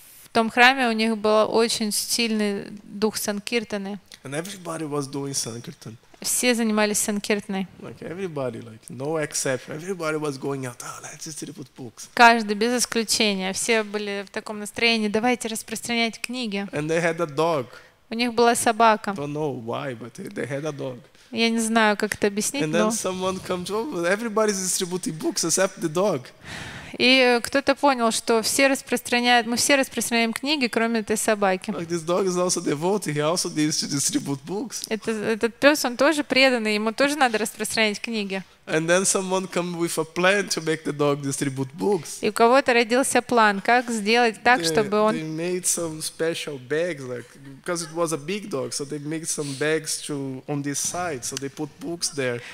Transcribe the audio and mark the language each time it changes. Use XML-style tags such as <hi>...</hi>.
<ru>В том храме у них был очень сильный дух Санкиртаны.</ru> <en>And everybody was doing Sankirtan.</en> <ru>Все занимались Санкиртаной.</ru> <en>Like everybody, like no exception. Everybody was going out, oh, let's distribute books.</en> <ru>Каждый без исключения. Все были в таком настроении, давайте распространять книги.</ru> <en>And they had a dog.</en> <ru>У них была собака.</ru> <en>Don't know why, but they had a dog.</en> <ru>Я не знаю, как это объяснить,</ru> <en>And</en> <ru>но...</ru> <en>then someone comes over, everybody's distributing books except the dog.</en> <ru>И кто-то понял, что мы все распространяем книги, кроме этой собаки.</ru> <en>Like this dog is also devoted, he also needs to distribute books.</en> <ru>Этот пес, он тоже преданный, ему тоже надо распространять книги.</ru> <en>And then someone come with a plan to make the dog distribute books.</en> <ru>И у кого-то родился план, как сделать так, чтобы он.</ru> <en>They made some special bags, like because it was a big dog, so they made some bags to on this side, so they put books there.</en>